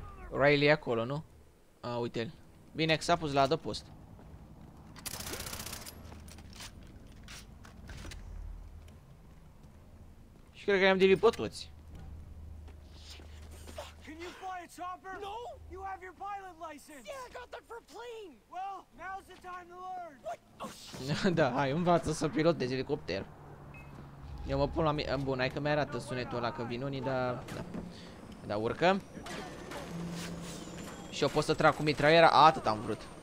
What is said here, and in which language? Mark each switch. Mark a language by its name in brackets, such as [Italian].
[Romanian] Riley e acolo, nu? A, uite-l. Bine că s-a pus la adăpost. Și cred că i-am dilit pe toți. [English] Can you fly a chopper? No! You have your pilot license! Yeah, I got that for plane! Well, now's the time to learn! What? [Romanian] Oh, da, hai, învață să pilotezi elicopter. Eu mă pun la mi... Bun, hai că mi-arată sunetul ăla că vin unii, dar... Da. Da, urcăm. Și eu pot să trag cu mitraliera, atât am vrut.